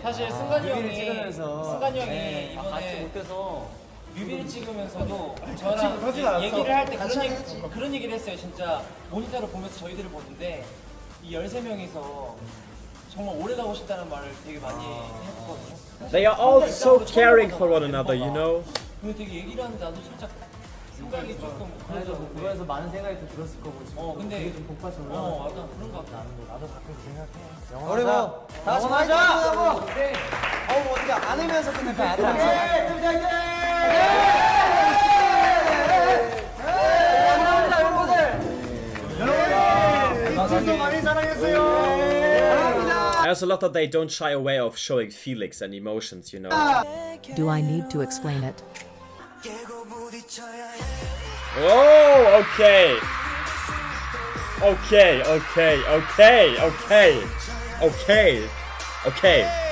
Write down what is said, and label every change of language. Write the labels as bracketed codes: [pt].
[ko] 사실 승관이 형이 승관이 형이 이번에 못 돼서 뮤비를 찍으면서도 저랑 얘기를 할 때 그런 얘기를 했어요. 진짜 모니터를 보면서 저희들을 보는데 이 13명이서 정말 오래 가고 싶다는 말을 되게 많이 했거든요. [en] They are all so caring for one another, you know? [ko] 근데 되게 얘기를 하는데 나도 살짝 생각이 조금 그래서 보면서 많은 생각이 좀 들었을 거고 지금 근데 되게 좀 복받쳐서 약간 그런 거 같아. 나도 가끔 생각해. 영원하자! 다시 하자! 어우 어디가 안으면서 끝낼까? 안 하자! 끝내자! 예! 감사합니다 여러분들. 여러분, 이쪽도 많이 사랑했어요. 감사합니다. [en] I also love that they don't shy away of showing feelings and emotions, you know. Do I need to explain it? Oh, okay. Okay. Okay.